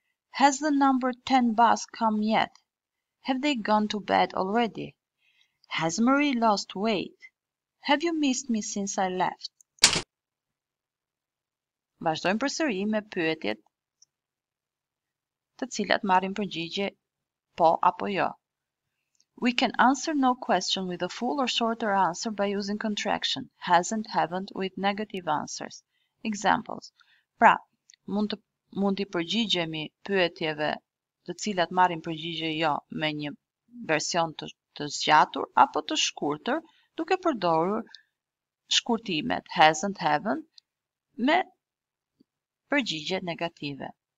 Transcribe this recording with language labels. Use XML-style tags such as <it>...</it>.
<en>Has the number 10 bus come yet? Have they gone to bed already? Has Marie lost weight? Have you missed me since I left?</en> <sq>Vazhdojmë përsëri me pyetjet të cilat marrin përgjigje po apo jo.</sq> <en>We can answer no question with a full or shorter answer by using contraction, hasn't, haven't, with negative answers. Examples.</en> <sq>Pra, mund t'i përgjigjemi pyetjeve të cilat marrin përgjigje jo me një version të zgjatur apo të shkurtër duke përdorur shkurtimet hasn't, haven't me përgjigje negative.</sq>